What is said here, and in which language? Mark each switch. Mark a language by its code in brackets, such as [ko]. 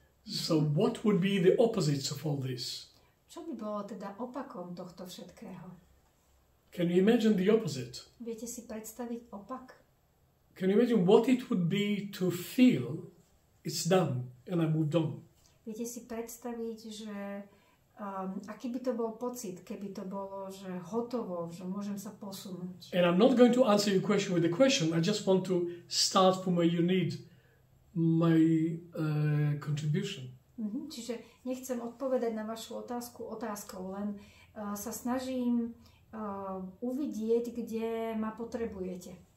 [en] So what would be the opposite of all this? [sk] Čo by bolo teda opakom tohto všetkého? [en] Can you imagine the opposite? [sk] Viete si predstaviť opak? [en] Can you imagine what it would be to feel it's done and I moved on? [sk] Viete si predstaviť, že aký by to bol pocit, keby to bolo, že hotovo, že môžem sa posunúť. [en] And I'm not going to answer your question with a question. I just want to start from where you need my contribution. [sk] Mm-hmm. Čiže nechcem odpovedať na vašu otázku otázkou, len sa snažím uvidieť, kde ma potrebujete.